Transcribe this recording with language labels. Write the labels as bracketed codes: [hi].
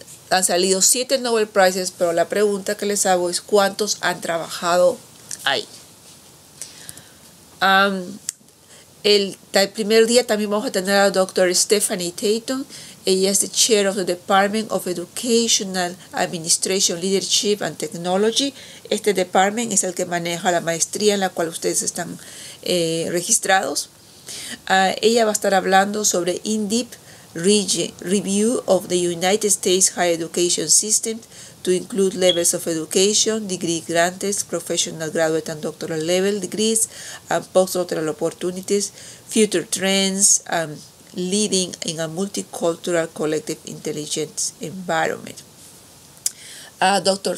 [es] Han salido 7 Nobel Prizes, pero la pregunta que les hago es ¿cuántos han trabajado ahí? El primer día también vamos a tener a la doctora Stephanie Tatum. Ella es [en] the chair of the Department of Educational Administration, Leadership and Technology. [es] Este department es el que maneja la maestría en la cual ustedes están registrados. Ella va a estar hablando sobre [en] in-deep review of the United States higher education system to include levels of education, degree grants, professional graduate and doctoral level degrees, and postdoctoral opportunities, future trends, and leading in a multicultural collective intelligence environment. Dr.